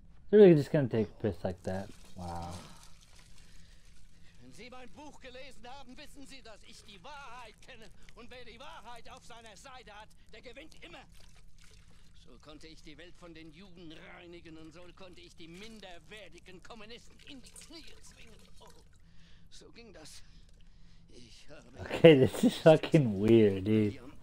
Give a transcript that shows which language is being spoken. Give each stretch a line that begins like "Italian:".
English: They're really just gonna take a piss like that. Wow.
German: Wenn Sie mein Buch gelesen haben, wissen Sie, dass ich die Wahrheit kenne. Und wer die Wahrheit auf seiner Seite hat, der gewinnt immer. So konnte ich die Welt von den Juden reinigen und so konnte ich die minderwertigen Kommunisten in die Knie zwingen. Oh, so ging das. Ich habe.
English: Okay, this is fucking weird, dude.